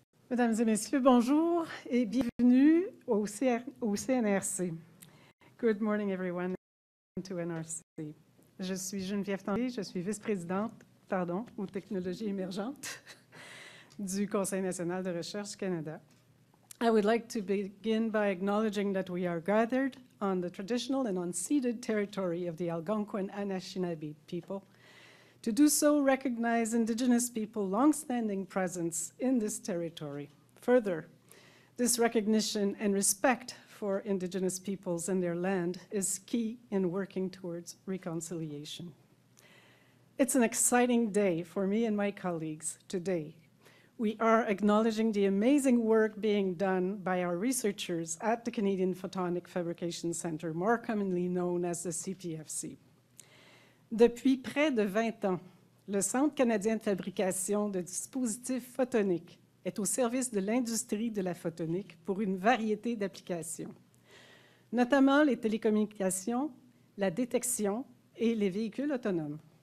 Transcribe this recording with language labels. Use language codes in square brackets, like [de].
[fr] Mesdames et messieurs, bonjour et bienvenue au CNRC. [en] Good morning everyone, welcome to NRC. [fr] Je suis Geneviève Tanguay, je suis vice-présidente, aux technologies émergentes du Conseil national de recherche Canada. [en] I would like to begin by acknowledging that we are gathered on the traditional and unceded territory of the Algonquin Anishinaabe people. To do so, recognize Indigenous people's long-standing presence in this territory. Further, this recognition and respect for Indigenous peoples and their land is key in working towards reconciliation. It's an exciting day for me and my colleagues today. We are acknowledging the amazing work being done by our researchers at the Canadian Photonic Fabrication Centre, more commonly known as the CPFC. [fr] Depuis près de 20 ans, le Centre canadien de fabrication de dispositifs photoniques est au service de l'industrie de la photonique pour une variété d'applications, notamment les télécommunications, la détection et les véhicules autonomes.